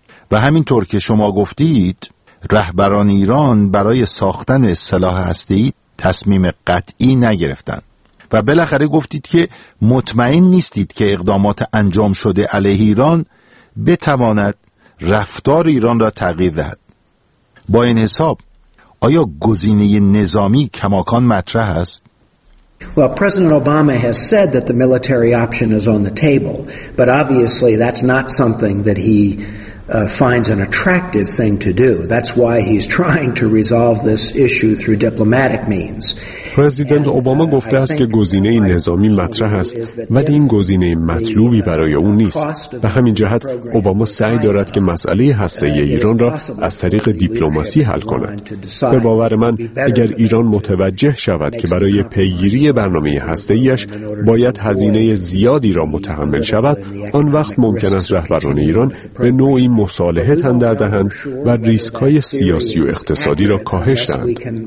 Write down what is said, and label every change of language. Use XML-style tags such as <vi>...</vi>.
<fa>و همینطور که شما گفتید، رهبران ایران برای ساختن سلاح هسته‌ای تصمیم قطعی نگرفتند و بالاخره گفتید که مطمئن نیستید که اقدامات انجام شده علیه ایران بتواند رفتار ایران را تغییر دهد. با این حساب، آیا گزینه نظامی کماکان مطرح است؟</fa> <en>Well, President Obama has said that the military option is on the table, but obviously that's not something that he finds an attractive thing to do. That's why he's trying to resolve this issue through diplomatic means.</en> <fa>پرزیدنت اوباما گفته است که گزینه نظامی مطرح است، ولی این گزینه مطلوبی برای او نیست. به همین جهت اوباما سعی دارد که مسئله هسته‌ای ایران را از طریق دیپلماسی حل کند. به باور من اگر ایران متوجه شود که برای پیگیری برنامه هسته‌ایش باید هزینه زیادی را متحمل شود، آن وقت ممکن است رهبران ایران به نوعی مصالحه تن در دهند و ریسک‌های سیاسی و اقتصادی را کاهش دهند.</fa>